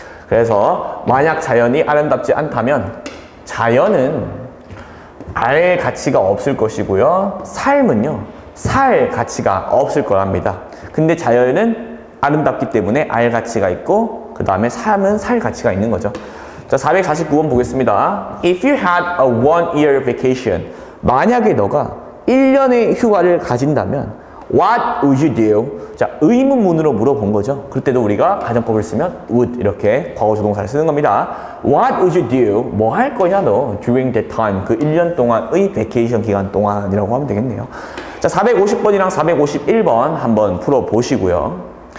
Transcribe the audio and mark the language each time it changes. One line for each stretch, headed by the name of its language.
Korean: 그래서 만약 자연이 아름답지 않다면 자연은 알 가치가 없을 것이고요. 삶은요, 살 가치가 없을 거랍니다. 근데 자연은 아름답기 때문에 알 가치가 있고 그 다음에 삶은 살 가치가 있는 거죠. 자, 449번 보겠습니다.
English: If you had a one year vacation,
Korean: 만약에 너가 1년의 휴가를 가진다면
English: what would you do?
Korean: 자, 의문문으로 물어본 거죠. 그때도 우리가 가정법을 쓰면 would 이렇게 과거조동사를 쓰는 겁니다.
English: What would you do?
Korean: 뭐 할 거냐 너?
English: During that time,
Korean: 그 1년 동안의 vacation 기간 동안이라고 하면 되겠네요. 자, 450번이랑 451번 한번 풀어보시고요.